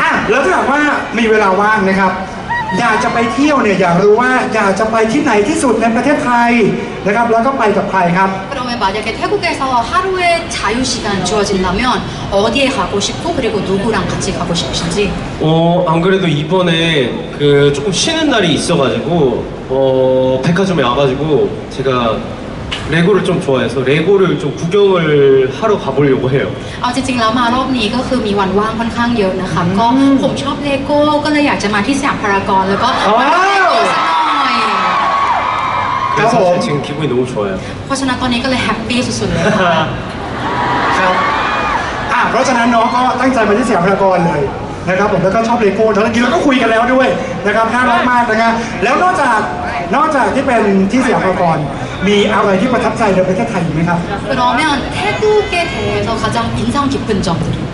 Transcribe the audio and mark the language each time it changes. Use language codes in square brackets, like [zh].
[th] แล้วถ้าหากว่ามีเวลาว่างนะครับอยากจะไปเที่ยวเนี่ยอยากรู้ว่าอยากจะไปที่ไหนที่สุดในประเทศไทยนะครับแล้วก็ไปกับใครครับ [ko] 그러면 만약에 태국에서 하루의 자유 시간 주어진다면 어디에 가고 싶고 그리고 누구랑 같이 가고 싶으신지 안 그래도 이번에 그 조금 쉬는 날이 있어가지고 백화점에 와가지고 제가레고를좀좋아해서레고를좀구경을하러가보려고해요 [th] เอาจริงๆแล้วมารอบนี้ก็คือมีวันว่างค่อนข้างเยอะนะคะก็ผมชอบเลโก้ก็เลยอยากจะมาที่สยามพารากอนแล้วก็มาเล่นเลโก้สักหน่อย ครับผมจริงๆ [ko] 기분이너무좋아요 [th] เพราะฉะนั้นตอนนี้ก็เลยแฮปปี้สุดๆเลย ครับเพราะฉะนั้นน้องก็ตั้งใจมาที่สยามพารากอนเลยนะครับผมแล้วก็ชอบเลโก้ทั้งกินแล้วก็คุยกันแล้วด้วยนะครับน่ารักมากนะฮะแล้วนอกจากที่เป็นที่สยามพารากอนมีอะไรที่ประทับใจในประเทศไทยมั้ยครับ [ko] 그러면태국에대해서가장인상깊은점들